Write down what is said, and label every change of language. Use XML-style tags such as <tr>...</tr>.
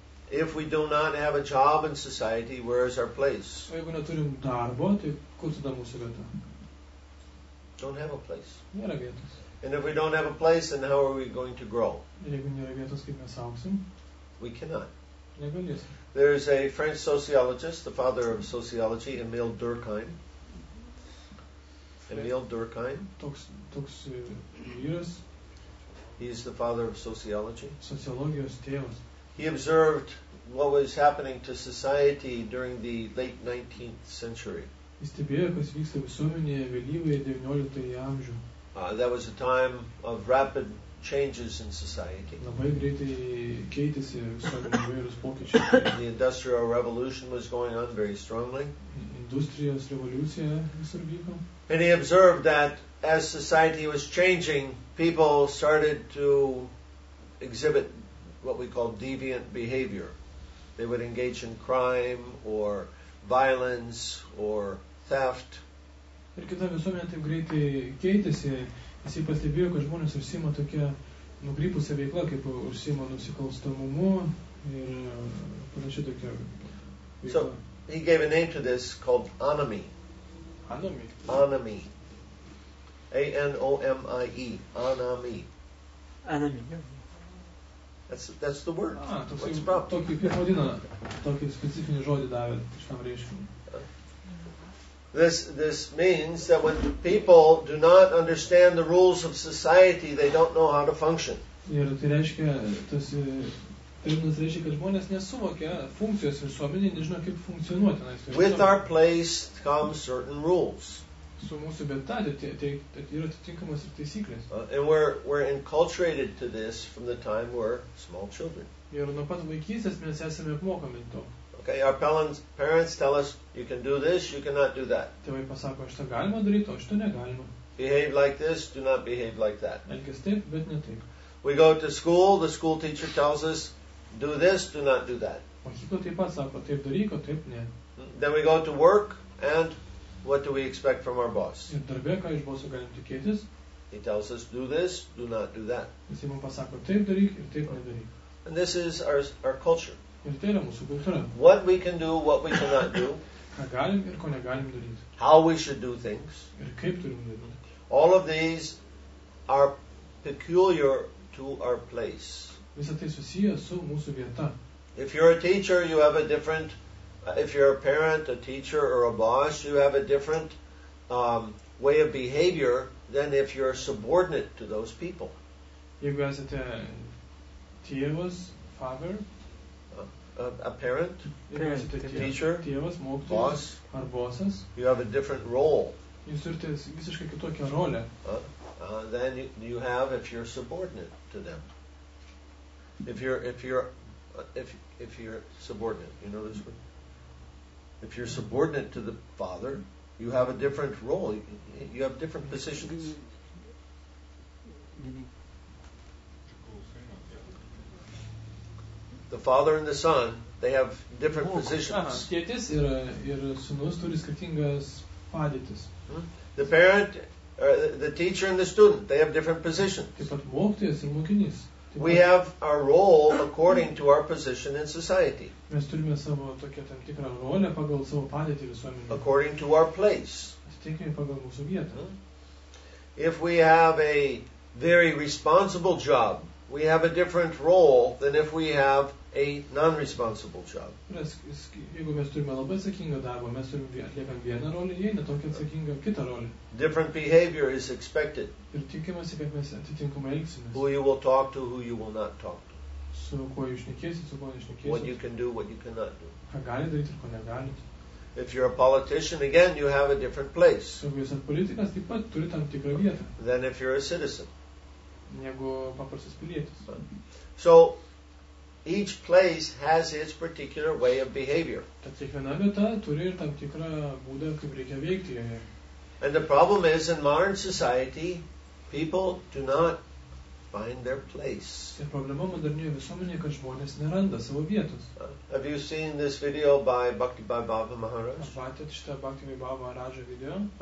<en>If we do not have a job in society, where is our place?</en> <lt>O jeigu neturim darbo, tai kur tada mūsų vieta?</lt> <en>Don't have a place.</en> <lt>Nėra vietos.</lt> <en>And if we don't have a place, then how are we going to grow?</en> <lt>Jeigu nėra vietos, kaip mes augsim?</lt> <en>We cannot.</en> <lt>Negalės.</lt> <en>There is a French sociologist, the father of sociology, Emile Durkheim. Emile Durkheim.</en> <lt>Toks vyras.</lt> <en>He is the father of sociology.</en> <lt>Sociologijos tėvas.</lt> <en>He observed what was happening to society during the late 19th century. That was a time of rapid changes in society. The Industrial Revolution was going on very strongly. And he observed that as society was changing, people started to exhibit what we call deviant behavior. They would engage in crime or violence or theft.</en> <lt>Ir kita visuomenė taip greitai keitėsi, jisai pastebėjo, kad žmonės užsima tokia nukrypusia veikla, kaip užsima nusikalstamumu ir panašiai tokia veikla.</lt> <en>So, he gave a name to this called anomie. Anomie? Anomie. A-N-O-M-I-E. Anomie. Anomie. That's the word.</en> <lt>Tokį pirmodiną, tokį specifinį žodį davė šitam reiškimui.</lt> <en>This means that when people do not understand the rules of society, they don't know how to function.</en> <lt>Ir tai reiškia, tas terminas reiškia, kad žmonės nesuvokia funkcijos visuomenėje, nežino kaip funkcionuoti.</lt> <en>With our place come certain rules.</en> <lt>Su mūsų vieta yra atitinkamas ir taisyklės.</lt> <en>And we're enculturated to this from the time we're small children.</en> <lt>Ir nuo pat vaikystės mes esame apmokami to.</lt> <en>Okay, our parents tell us you can do this, you cannot do that.</en> <lt>Tėvai pasako, šitą galima daryti, o šitą negalima.</lt> <en>Behave like this, do not behave like that.</en> <lt>Elgis taip, bet ne taip.</lt> <en>We go to school, the school teacher tells us do this, do not do that.</en> <lt>Mokykla taip pat sako, taip daryk, o taip ne.</lt> <en>Then we go to work and what do we expect from our boss?</en> <lt>Ir darbė, ką iš boso galim tikėtis?</lt> <en>He tells us do this, do not do that.</en> <lt>Jis mums pasako, taip daryk ir taip nedaryk.</lt> <en>And this is our culture.</en> <lt>Ir tai yra mūsų kultūra.</lt> <en>What we can do, what we cannot do.</en> <lt>Ką galim ir ko negalim daryti.</lt> <en>How we should do things.</en> <lt>Ir kaip turim daryti.</lt> <en>All of these are peculiar to our place.</en> <lt>Visa tai susiję su mūsų vieta.</lt> <en>If you're a teacher, you have a different, if you're a parent, a teacher or a boss, you have a different way of behavior than if you're subordinate to those people.</en> <lt>Jeigu esate tėvas, father,</lt> <en>a parent, teacher,</en> <lt>tėvas, mokytis,</lt> <en>boss,</en> <lt>ar bosas,</lt> <en>you have a different role.</en> <lt>Jūs turite visiškai kitokią rolę.</lt> <en>Then you have if you're subordinate to them. If you're subordinate, you know this one. If you're subordinate to the father, you have a different role. You have different positions. The father and the son, they have different positions.</en> <lt>Tėtis ir sūnus turi skirtingas padėtis.</lt> <en>The parent, the teacher and the student, they have different positions.</en> <lt>Taip pat mokytojas ir mokinys.</lt> <en>We have our role according to our position in society.</en> <lt>Mes turime savo tokią tam tikrą rolę pagal savo padėtį visuomenėje.</lt> <en>According to our place.</en> <lt>Atitinkamai pagal mūsų vietą.</lt> <en>If we have a very responsible job, we have a different role than if we have a non-responsible job.</en> <lt>Jeigu mes turime labai atsakingą darbą, mes turime atliekant vieną rolį, jei ne tokią atsakingą kitą rolį.</lt> <en>Different behavior is expected.</en> <lt>Ir tikimasi, kad mes atitinkamai elgsimės.</lt> <en>Who you will talk to, who you will not talk to.</en> <lt>Su kuo jūs šnekėsit, su kuo nešnekėsit.</lt> <en>What you can do, what you cannot do.</en> <lt>Ką galite daryti ir ko negalite.</lt> <en>If you're a politician, again, you have a different place.</en> <lt>Jeigu esate politikas, taip pat turi tam tikrą vietą.</lt> <en>Than if you're a citizen.</en> <lt>Negu paprastas pilietis.</lt> <en>So, each place has its particular way of behavior.</en> <lt>Tad kiekviena vieta turi ir tam tikrą būdą, kaip reikia veikti.</lt> <en>And the problem is, in modern society, people do not find their place.</en> <lt>Ir problema modernioje visuomenėje, kad žmonės neranda savo vietos.</lt> <en>Have you seen this video by Bhakti Vaibhava Maharaj?</en> <lt>Ar matėte šitą Bhakti Vaibhava Maharaja video?</lt>